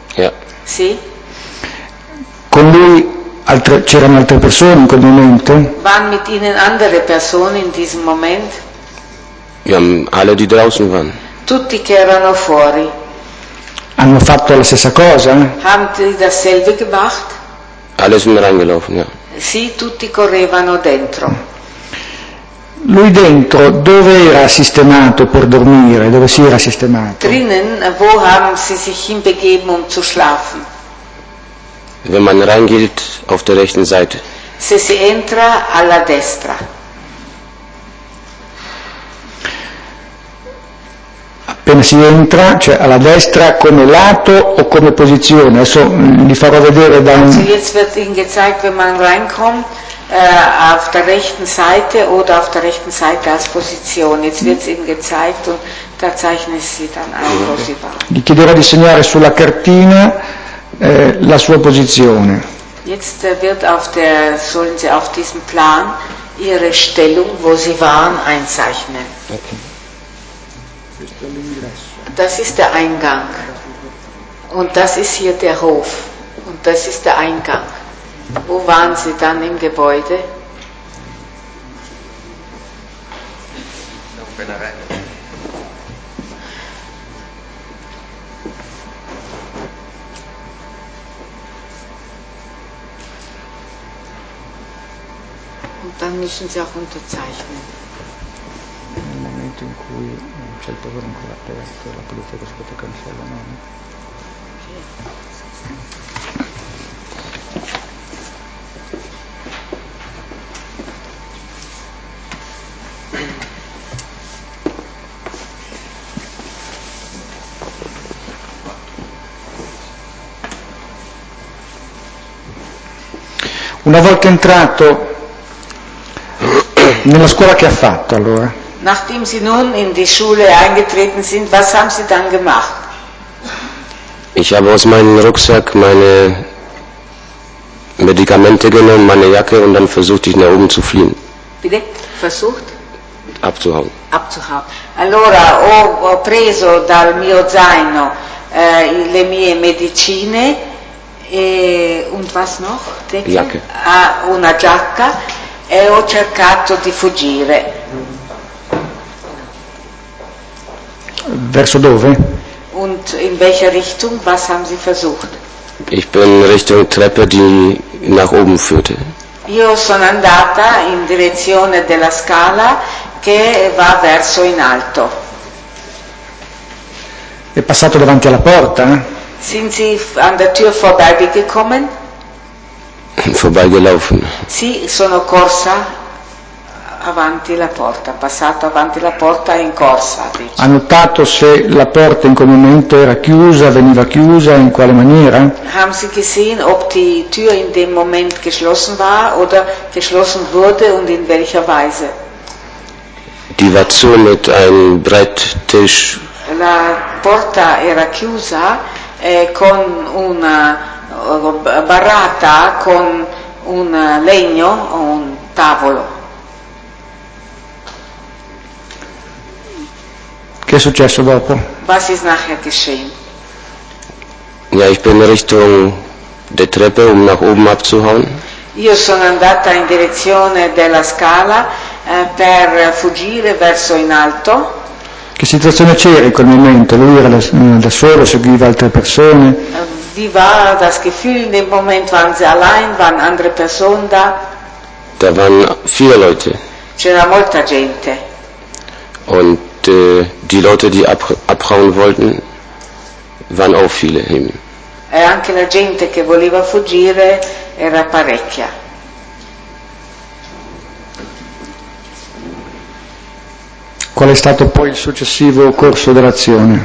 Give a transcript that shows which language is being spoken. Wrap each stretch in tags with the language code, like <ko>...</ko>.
<de>Ja.</de> <it>Sì. Con lui c'erano altre persone in quel momento?</it> <de>Waren mit ihnen andere persone in diesem Moment? Ja, alle die draußen waren.</de> <it>Tutti che erano fuori. Hanno fatto la stessa cosa?</it> <de>Haben die dasselbe gemacht? Alle sind reingelaufen, ja.</de> <it>Sì, tutti correvano dentro. Lui dentro, dove era sistemato per dormire? Dove si era sistemato?</it> <de>Drinnen, wo haben sie sich hinbegeben, um zu schlafen? Wenn man reingeht, auf der rechten Seite.</de> <it>Se si entra, alla destra. Appena si entra, cioè alla destra, come lato o come posizione? Adesso vi farò vedere da un...</it> <de>Also jetzt wird Ihnen gezeigt, wenn man reinkommt, auf der rechten Seite oder auf der rechten Seite als Position. Jetzt wird es Ihnen gezeigt und da zeichnen Sie dann ein, wo Sie waren.</de> <it>Gli chiederò di segnare sulla cartina la sua posizione.</it> <de>Jetzt wird auf der, sollen Sie auf diesem Plan Ihre Stellung, wo Sie waren, einzeichnen. Okay. Das ist der Eingang. Und das ist hier der Hof. Und das ist der Eingang. Wo waren Sie dann im Gebäude? Und dann müssen Sie auch unterzeichnen.</de> <it>In cui c'è il povero ancora aperto, la polizia che scuote cancella, no? Una volta entrato nella scuola, che ha fatto allora?</it> <de>Nachdem Sie nun in die Schule eingetreten sind, was haben Sie dann gemacht? Ich habe aus meinem Rucksack meine Medikamente genommen, meine Jacke, und dann versucht ich nach oben zu fliehen. Bitte? Versucht? Abzuhauen. Abzuhauen.</de> <it>Allora, ho preso dal mio zaino le mie medicine e,</it> <de>und was noch? Decke? Jacke.</de> <it>Ah, una giacca e ho cercato di fuggire. Verso dove?</it> <de>Und in welcher Richtung? Was haben Sie versucht? Ich bin Richtung Treppe, die nach oben führte.</de> <it>Io sono andata in direzione della scala che va verso in alto. È passato davanti alla porta?</it> <de>Sind Sie an der Tür vorbeigekommen? Vorbeigelaufen.</de> <it>Sì, sono corsa avanti la porta, passato avanti la porta in corsa. Ha notato se la porta in quel momento era chiusa, veniva chiusa, in quale maniera?</it> <de>Haben Sie gesehen, ob die Tür in dem Moment geschlossen war oder geschlossen wurde und in welcher Weise? Die war zu mit einem Bretttisch.</de> <it>La porta era chiusa con una barrata con un legno o un tavolo. Che è successo dopo?</it> <de>Was ist nachher geschehen? Ja, ich bin Richtung der Treppe, nach oben abzuhauen.</de> <it>Io sono andata in direzione della scala per fuggire verso in alto. Che situazione c'era in quel momento? Lui era da solo, seguiva altre persone?</it> <de>Wie war das Gefühl in dem Moment? Waren sie allein? Waren andere Personen da? Da waren vier Leute.</de> <it>C'era molta gente.</it> <de>Und die Leute, die abhauen wollten, waren auch viele.</de> <it>E anche la gente che voleva fuggire era parecchia. Qual è stato poi il successivo corso dell'azione?</it>